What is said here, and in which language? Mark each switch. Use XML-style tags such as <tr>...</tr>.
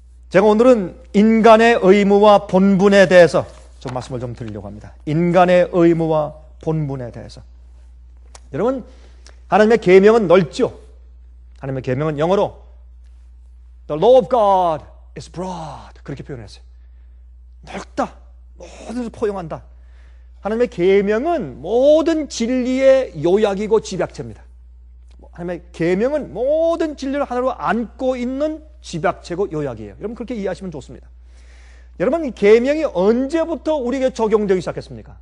<ko>제가 오늘은 인간의 의무와 본분에 대해서 좀 말씀을 좀 드리려고 합니다. 인간의 의무와 본분에 대해서. 여러분, 하나님의 계명은 넓죠. 하나님의 계명은 영어로</ko> <en>The law of God is broad.</en> <ko>그렇게 표현했어요. 넓다. 모든 것을 포용한다. 하나님의 계명은 모든 진리의 요약이고 집약체입니다. 하나님의 계명은 모든 진리를 하나로 안고 있는 집약체고 요약이에요. 여러분 그렇게 이해하시면 좋습니다. 여러분 이 계명이 언제부터 우리에게 적용되기 시작했습니까?</ko>